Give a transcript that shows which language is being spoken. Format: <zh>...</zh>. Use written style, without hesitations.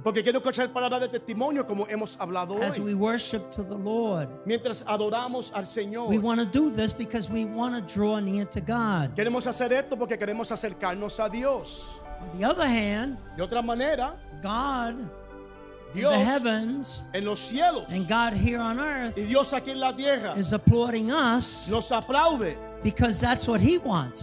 <es>Porque quiero escuchar palabras de testimonio como hemos hablado hoy.</es> <en>As we worship to the Lord.</en> <es>Mientras adoramos al Señor.</es> <en>We want to do this because we want to draw near to God.</en> <es>Queremos hacer esto porque queremos acercarnos a Dios.</es> <en>On the other hand,</en> <es>de otra manera,</es> <en>God</en> <es>Dios,</es> <en>in the heavens,</en> <es>en los cielos,</es> <en>and God here on earth,</en> <es>y Dios aquí en la tierra,</es> <en>is applauding us.</en> <es>Nos aplaude.</es> <en>Because that's what he wants.</en>